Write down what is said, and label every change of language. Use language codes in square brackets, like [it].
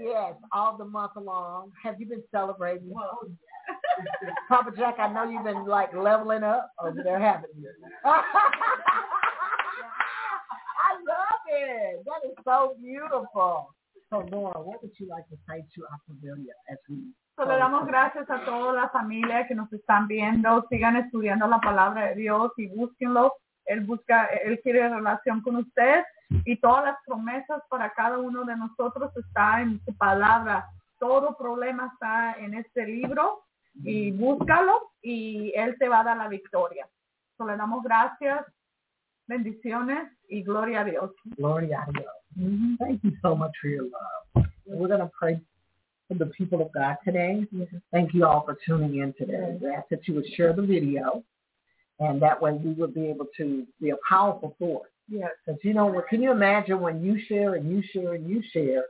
[en] Yes, all the month long. Have you been celebrating? Well, yeah. Papa Jack, I know you've been like leveling up over there, haven't you? I love it. That is so beautiful. So, Laura, what would you like to say to our familia as we... [es] So le damos gracias a toda la familia que nos están viendo. Sigan estudiando la palabra de Dios y búsquenlo. Él busca, él quiere relación con usted. Y todas las promesas para cada uno de nosotros está en su palabra. Todo problema está en este libro. Y búscalo y él te va a dar la victoria. So le damos gracias, bendiciones y gloria a Dios. Gloria a Dios. Mm-hmm. [en] Thank you so much for your love. We're going to pray for the people of God today. Thank you all for tuning in today. We ask that you would share the video. And that way we would be able to be a powerful force. Yes. Because, you know, can you imagine when you share and you share and you share,